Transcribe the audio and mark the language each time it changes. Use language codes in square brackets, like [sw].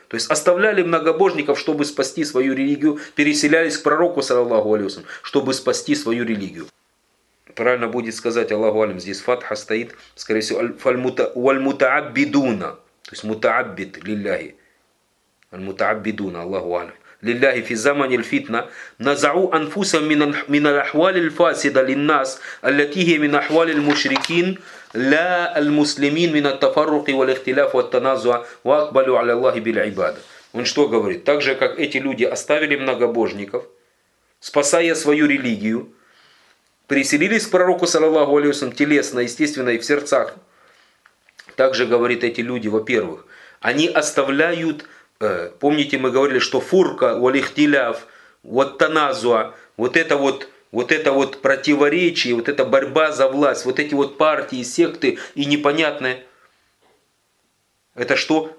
[ru] То есть оставляли многобожников, чтобы спасти свою религию, переселялись к пророку, саллаллаху алейхи вассалям, чтобы спасти свою религию. Правильно будет сказать, Аллаху алим, здесь фатха стоит, скорее всего, «Валь-мута'аббидуна», то есть «мута'аббид лилляхи», «Аль-мута'аббидуна», Аллаху алим. [ar] لله في زمن الفتنة نزعوا أنفسهم من الأحوال الفاسدة للناس التي هي من أحوال المشركين لا المسلمين من التفرق والاختلاف والتنازع وأقبلوا على الله بالعبادة. [ru] Он что говорит? Так же, как эти люди оставили многобожников, спасая свою религию, переселились к пророку, саллаллаху алейхи вассалям, телесно, естественно, и в сердцах. Так же, говорит, эти люди, во-первых, они оставляют. Помните, мы говорили, что фурка, валихтиляв, вот таназуа, вот это противоречие, вот эта борьба за власть, вот эти вот партии, секты и непонятные. Это что?